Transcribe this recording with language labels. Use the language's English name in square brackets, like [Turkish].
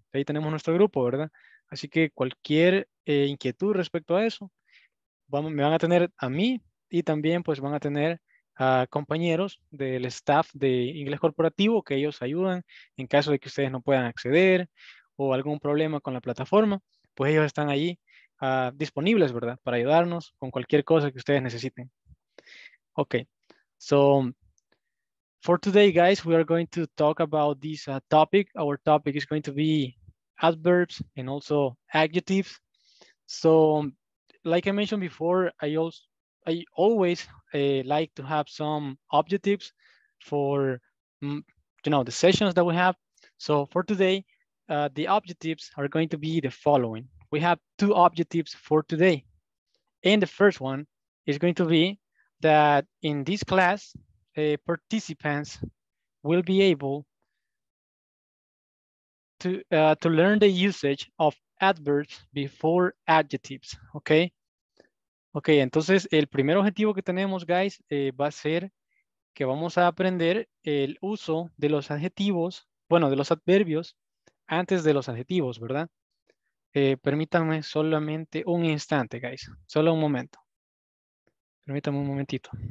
[Spanish] Ahí tenemos nuestro grupo, ¿verdad? Así que cualquier inquietud respecto a eso, me van a tener a mí, y también pues van a tener a compañeros del staff de inglés corporativo, que ellos ayudan en caso de que ustedes no puedan acceder o algún problema con la plataforma. Pues ellos están ahí disponibles, ¿verdad? Para ayudarnos con cualquier cosa que ustedes necesiten. [English] Ok, so for today, guys, we are going to talk about this topic. Our topic is going to be adverbs and also adjectives. So, like I mentioned before, I always like to have some objectives for, you know, the sessions that we have. So for today, the objectives are going to be the following. We have two objectives for today. And the first one is going to be that in this class, participants will be able to learn the usage of adverbs before adjectives, okay? [Spanish] Okay, entonces el primer objetivo que tenemos, guys, va a ser que vamos a aprender el uso de los adjetivos, bueno, de los adverbios antes de los adjetivos, ¿verdad? Permítanme solamente un instante, guys, solo un momento. Permítanme un momentito.